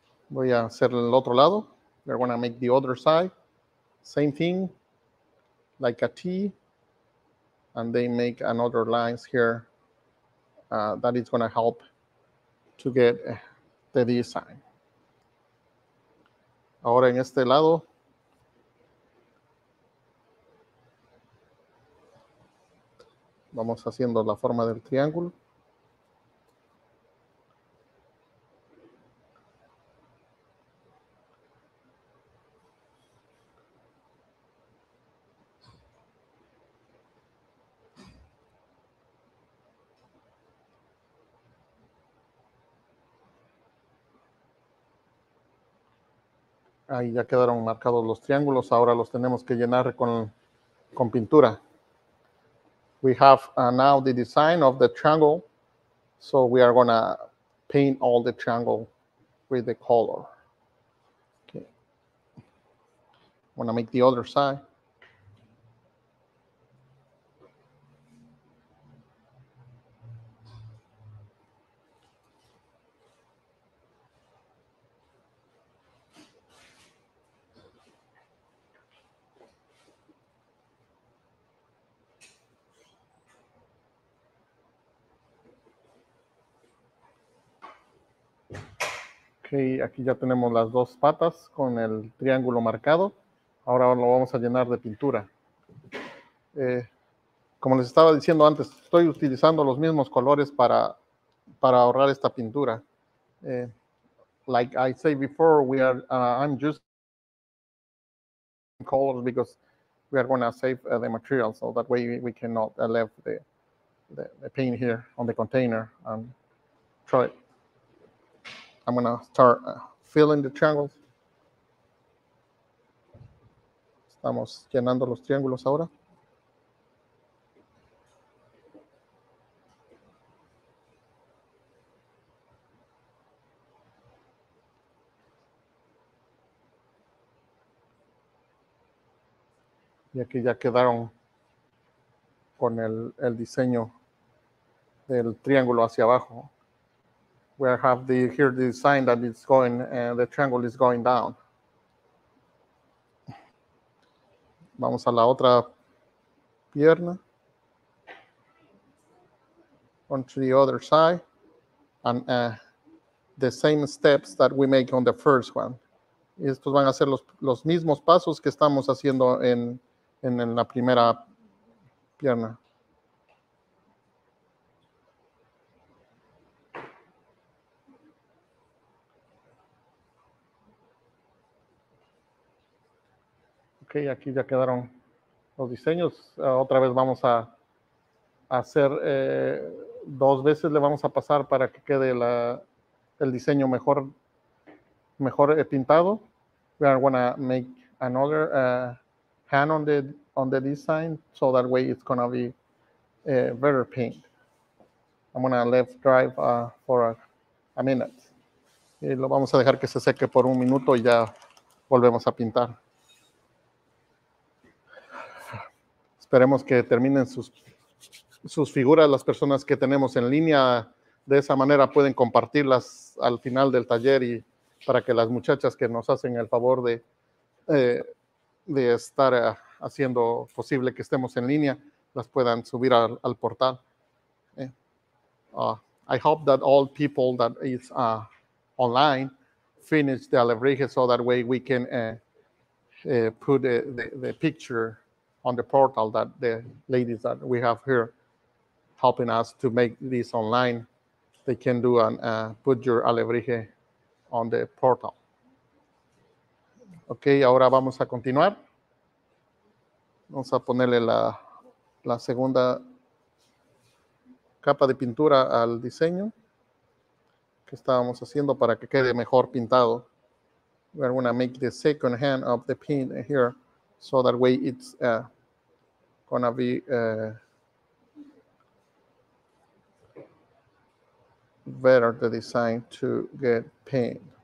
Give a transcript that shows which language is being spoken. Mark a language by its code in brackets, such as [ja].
[es] Voy a hacer el otro lado. [en] We're gonna make the other side. Same thing, like a T, and they make another lines here. That is going to help to get the design. [es] Ahora en este lado, vamos haciendo la forma del triángulo. Ahí ya quedaron marcados los triángulos. Ahora los tenemos que llenar con pintura. [en] We have now the design of the triangle. So we are going to paint all the triangle with the color. Okay. I'm going to make the other side. [es] Okay, aquí ya tenemos las dos patas con el triángulo marcado. Ahora lo vamos a llenar de pintura. Como les estaba diciendo antes, estoy utilizando los mismos colores para ahorrar esta pintura. [en] Like I said before, I'm just colors because we are going to save the material, so that way we cannot leave the paint here on the container and try it. I'm going to start filling the triangles. [es] Estamos llenando los triángulos ahora. Y aquí ya quedaron con el diseño del triángulo hacia abajo. [en] We have here the sign that it's going, the triangle is going down. [es] Vamos a la otra pierna. [en] Onto the other side. And the same steps that we make on the first one. [es] Estos van a ser los mismos pasos que estamos haciendo en la primera pierna. Ok, aquí ya quedaron los diseños. Otra vez vamos a hacer dos veces, le vamos a pasar para que quede el diseño mejor pintado. [en] We are going to make another hand on the design, so that way it's going to be better paint. I'm going to let it dry for a minute. [es] Y lo vamos a dejar que se seque por un minuto y ya volvemos a pintar. Esperemos que terminen sus figuras. Las personas que tenemos en línea de esa manera pueden compartirlas al final del taller y para que las muchachas que nos hacen el favor de estar haciendo posible que estemos en línea las puedan subir al portal. [en] I hope that all people that is online finish the alebrijes so that way we can put the picture on the portal that the ladies that we have here helping us to make this online, they can do and put your alebrije on the portal. [es] Okay, ahora vamos a continuar. Vamos a ponerle la segunda capa de pintura al diseño que estábamos haciendo para que quede mejor pintado. [en] We're going to make the second hand of the paint here so that way it's gonna be better the design to get paint.